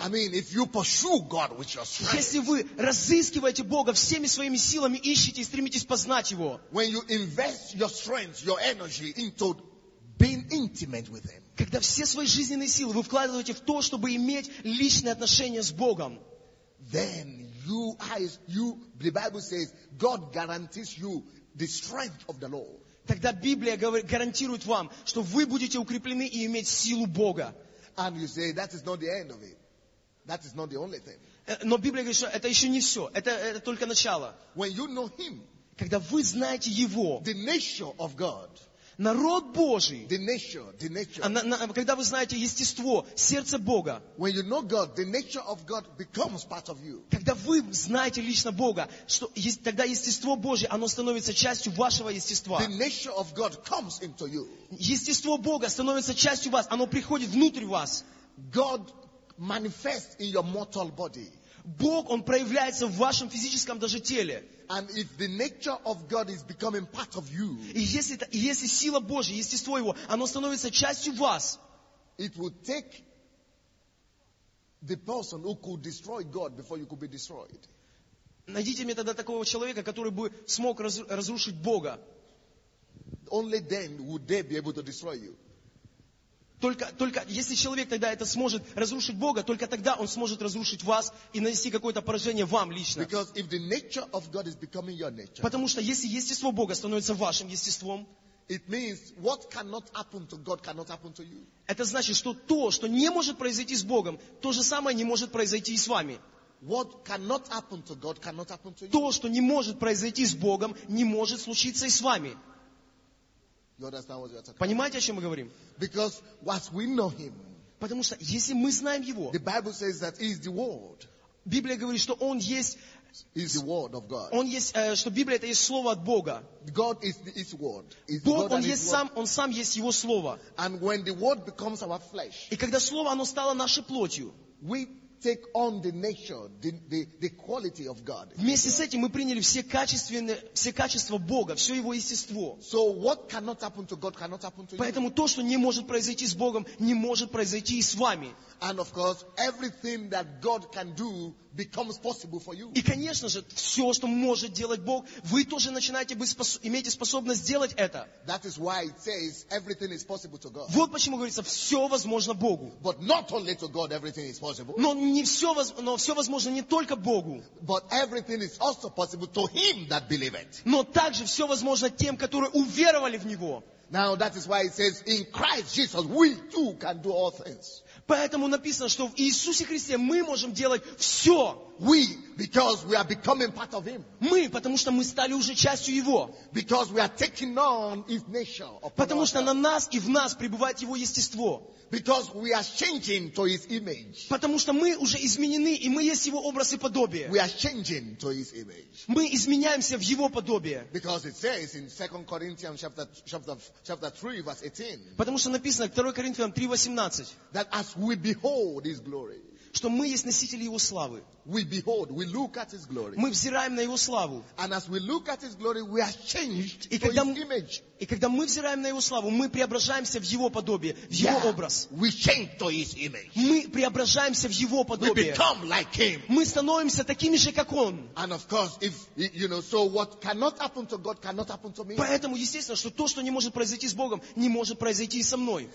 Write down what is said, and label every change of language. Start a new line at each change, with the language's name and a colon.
English: I mean, if you pursue God with your strength,
Russian: если вы разыскиваете Бога всеми своими силами, ищете и стремитесь познать Его,
English: when you invest your strength, your energy into being intimate with Him.
Russian: Когда все свои жизненные силы вы вкладываете в то, чтобы иметь личные отношения с Богом,
English: then the Bible says God guarantees you the strength of the Lord.
Russian: Тогда Библия гарантирует вам, что вы будете укреплены и иметь силу Бога.
English: And you say that is not the end of it. That is not the only thing.
Russian: Но Библия говорит, что это еще не все. Это только начало.
English: When you know Him,
Russian: когда вы знаете Его,
English: the nature of God.
Russian: Народ Божий.
English: The nature, the nature.
Russian: Когда вы знаете естество, сердце Бога.
English: When you know God, the nature of God becomes part of you.
Russian: Когда вы знаете лично Бога, что тогда естество Божие, оно становится частью вашего естества.
English: The nature of God comes into you.
Russian: Естество Бога становится частью вас, оно приходит внутрь вас.
English: God manifests in your mortal body.
Russian: Бог, Он проявляется в вашем физическом даже теле.
English: And if the nature of God is becoming part of you,
Russian: если сила Божья, естество Его, оно становится частью вас,
English: it would take the person who could destroy God before you could be destroyed.
Russian: Найдите мне тогда такого человека, который бы смог разрушить Бога.
English: Only then would they be able to destroy you.
Russian: Только если человек тогда это сможет разрушить Бога, только тогда он сможет разрушить вас и нанести какое-то поражение вам лично.
English: Because if the nature of God is becoming your nature,
Russian: потому что если естество Бога становится вашим естеством,
English: it means what cannot happen to God cannot happen to you.
Russian: Это значит, что то, что не может произойти с Богом, то же самое не может произойти и с вами.
English: What cannot happen to God cannot happen to you.
Russian: То, что не может произойти с Богом, не может случиться и с вами.
English: You understand what you are talking about?
Russian: Понимаете, о чем мы говорим?
English: Because as we know Him,
Russian: потому что если мы знаем Его,
English: the Bible says that He is the Word.
Russian: Библия говорит, что Он есть.
English: He is the Word of God.
Russian: Он есть, что Библия это есть слово от Бога.
English: God is His Word.
Russian: Бог, Он есть сам, Он сам есть Его слово.
English: And when the Word becomes our flesh,
Russian: и когда слово оно стало нашей плотью,
English: we take on the nature, the quality of God.
Russian: Вместе с этим мы приняли все качества Бога, все Его естество.
English: So what cannot happen to God cannot happen to you.
Russian: Поэтому то, что не может произойти с Богом, не может произойти и с вами.
English: And of course, everything that God can do becomes possible for you.
Russian: И конечно же, все, что может делать Бог, вы тоже начинаете иметь способность сделать это.
English: That is why it says everything is possible to God.
Russian: Вот почему говорится, все возможно Богу.
English: But not only to God everything is possible.
Russian: Но все возможно не только Богу.
English: But everything is also possible to him that believeth.
Russian: Но также все возможно тем, которые уверовали в Него.
English: Now that is why it says in Christ Jesus we too can do all things.
Russian: Поэтому написано, что в Иисусе Христе мы можем делать все.
English: We, because we are becoming part of Him.
Russian: Мы, потому что мы стали уже частью Его.
English: Because we are taking on His nature.
Russian: Потому что на нас и в нас пребывает Его естество.
English: Because we are changing to His image.
Russian: Потому что мы уже изменены, и мы есть Его образ и подобие.
English: We are changing to His image.
Russian: Мы изменяемся в Его подобие.
English: Because it says in 2 Corinthians chapter 3, verse 18.
Russian: Потому что написано в 2 Коринфянам 3:18.
English: That as we behold His glory,
Russian: что мы есть носители Его славы.
English: We behold, we look at His glory.
Russian: Мы взираем на Его славу.
English: And as we look at His glory, we are changed to His image.
Russian: И когда мы взираем на Его славу, мы преображаемся в Его подобие, в Его образ.
English: We change to His image.
Russian: Мы преображаемся в Его подобие.
English: We become like Him.
Russian: Мы становимся такими же, как Он.
English: And of course, if you know, so what cannot happen to God cannot happen to me.
Russian: Поэтому естественно, что то, что не может произойти с Богом, не может произойти и со мной.